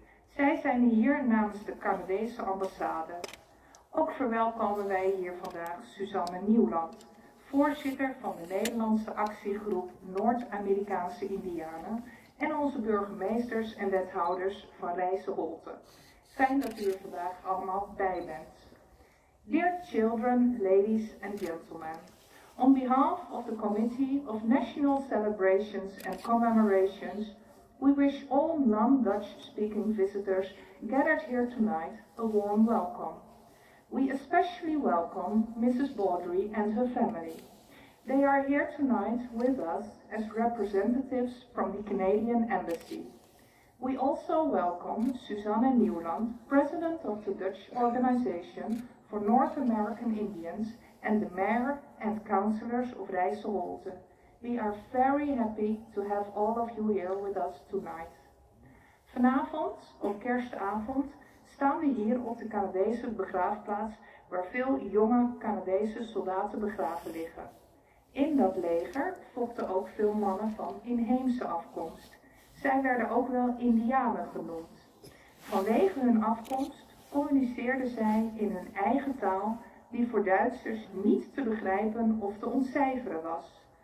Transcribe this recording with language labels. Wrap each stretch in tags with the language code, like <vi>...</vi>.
<nl>Zij zijn hier namens de Canadese ambassade. Ook verwelkomen wij hier vandaag Suzanne Nieuwland, voorzitter van de Nederlandse actiegroep Noord-Amerikaanse Indianen en onze burgemeesters en wethouders van Rijsseholte. Fijn dat u er vandaag allemaal bij bent.</nl> <en>Dear children, ladies and gentlemen, on behalf of the Committee of National Celebrations and Commemorations, we wish all non-Dutch speaking visitors gathered here tonight a warm welcome. We especially welcome Mrs. Baldry and her family. They are here tonight with us as representatives from the Canadian Embassy. We also welcome Suzanne Nieuwland, President of the Dutch Organization for North American Indians, and the Mayor and Councillors of Rijsseholte. We are very happy to have all of you here with us tonight.</en> <nl>Vanavond, op kerstavond, staan we hier op de Canadese begraafplaats waar veel jonge Canadese soldaten begraven liggen. In dat leger vochten ook veel mannen van inheemse afkomst. Zij werden ook wel Indianen genoemd. Vanwege hun afkomst communiceerden zij in hun eigen taal die voor Duitsers niet te begrijpen of te ontcijferen was.</nl>